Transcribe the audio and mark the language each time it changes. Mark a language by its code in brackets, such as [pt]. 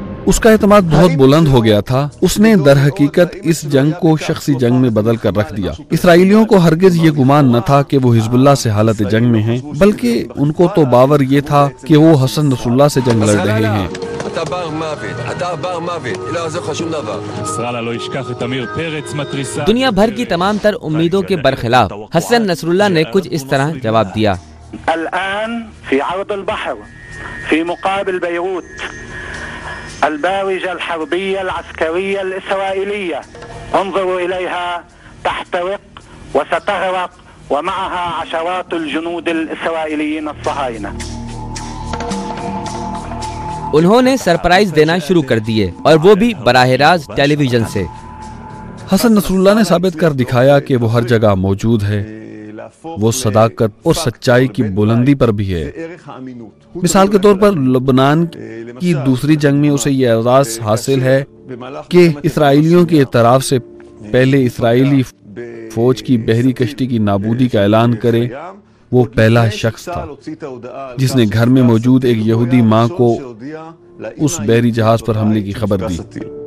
[ur] اس کا اعتماد بہت بلند ہو گیا تھا۔ اس نے در حقیقت اس جنگ کو شخصی جنگ میں بدل کر رکھ دیا۔ اسرائیلیوں کو ہرگز یہ گمان نہ تھا کہ وہ حزب اللہ سے حالت جنگ میں ہیں، بلکہ ان کو تو باور یہ تھا کہ وہ حسن نصر اللہ سے جنگ لڑ رہے ہیں۔ دنیا بھر کی تمام تر امیدوں کے برخلاف حسن نصر اللہ نے کچھ اس طرح جواب دیا۔ [ar] الان فی عرض البحر فی مقابل بیروت الباوجة الحربية العسكرية الإسرائيلية انظروا إليها تحترق وستغرق ومعها عشرات الجنود الإسرائيليين الصهاينة۔ [ur] انہوں نے سرپرائز دینا شروع کر دیے اور وہ بھی براہ راست ٹیلی ویژن سے۔ حسن نصراللہ نے ثابت کر دکھایا کہ وہ ہر جگہ موجود ہے، وہ صداقت اور سچائی کی بلندی پر بھی ہے۔ مثال کے طور پر لبنان کی دوسری جنگ میں اسے یہ اعزاز حاصل ہے کہ اسرائیلیوں کے اعتراف سے پہلے اسرائیلی فوج کی بحری کشتی کی نابودی کا اعلان کرے وہ پہلا شخص تھا جس نے گھر میں موجود ایک یہودی ماں کو اس بحری جہاز پر حملے کی خبر دی۔